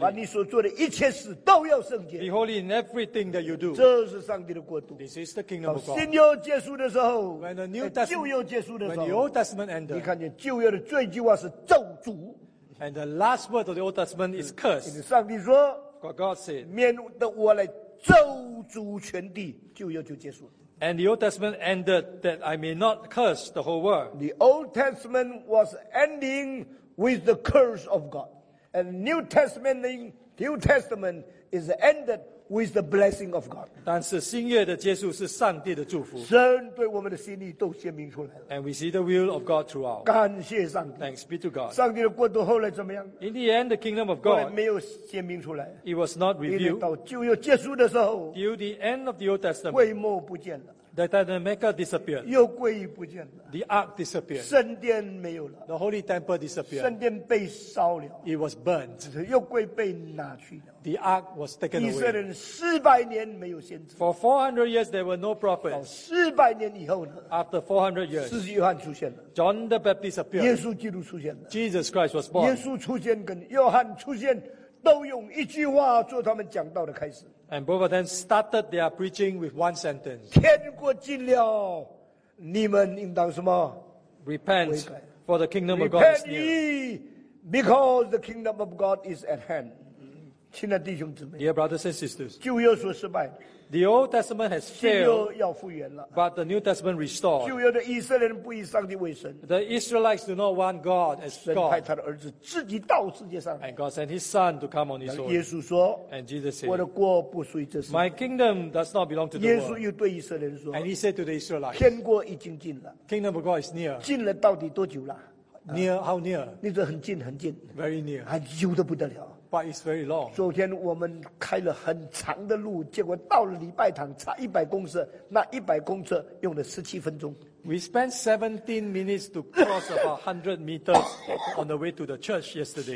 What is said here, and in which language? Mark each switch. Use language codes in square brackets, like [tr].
[zh] 把你所做的一切事都要圣洁。 [en] Be holy in everything that you do. [zh] 这是上帝的国度。 [en] This is the kingdom of God. [zh] 新约结束的时候。 [en] When the New Testament. [zh] 旧约结束的时候。 [en] When the Old Testament ended. [zh] 你看见旧约的最句话是咒诅。 [en] And the last word of the Old Testament is curse. [zh] 因为上帝说。 [en] What God said. [zh] 免得我来咒诅全地。旧约就结束了。 [en] And the Old Testament ended that I may not curse the whole world. The Old Testament was ending with the curse of God. And New Testament is ended with the blessing of God. [zh] 但是新约的结束是上帝的祝福。神对我们的心意都显明出来了。 [en] And we see the will of God throughout. [zh] 感谢上帝。 [en] Thanks be to God. [zh] 上帝的国度后来怎么样？ [en] In the end, the kingdom of God. [zh] 没有显明出来。 [en] It was not revealed. [zh] 因为到旧约结束的时候。 [en] Till the end of the Old Testament. [zh] 会幕不见了。 [en] The tabernacle disappeared. [zh] 又归于不见了。 [en] The ark disappeared. [zh] 圣殿没有了。 [en] The holy temple disappeared. [zh] 圣殿被烧了。 [en] It was burned. [zh] 又归被拿去了。 [en] The ark was taken away. [zh] 以色列人400年没有先知。 [en] For 400 years there were no prophets. [zh] 到400年以后呢 [en] ？After 400 years, [zh] 使徒约翰出现了。 [en] John the Baptist appeared. [zh] 耶稣基督出现了。 [en] Jesus Christ was born. [zh] 耶稣出现跟约翰出现都用一句话做他们讲道的开始。 [en] And both of them started their preaching with one sentence. [zh] 天国近了，你们应当什么 [en] ？Repent, for the kingdom of God is near. Repent, Because the kingdom of God is at hand. [zh] 亲爱的弟兄姊妹, [en] Dear brothers and sisters, [zh] 旧约所失败, [en] the Old Testament has failed, [zh] 新约要复原了, [en] but the New Testament restored. [zh] 旧约的以色列人不以上帝为神, [en] the Israelites do not want God as God. [zh] 神派他的儿子自己到世界上, [en] and God sent his son to come on his own. [zh] 耶稣说, [en] and Jesus said, [zh] 我的国不属于这世, [en] my kingdom does not belong to the world. [zh] 耶稣又对以色列人说, [en] and he said to the Israelites, [zh] 天国已经近了, [en] kingdom of God is near. [zh] 近了到底多久了? [en] Near, how near? [zh] 你说很近很近, [en] very near. [zh] 还久得不得了。 [en] But it's very long. [zh] 昨天我们开了很长的路，结果到了礼拜堂差一百公尺，那一百公尺用了十七分钟。 [en] We spent 17 minutes to cross about 100 meters on the way to the church yesterday.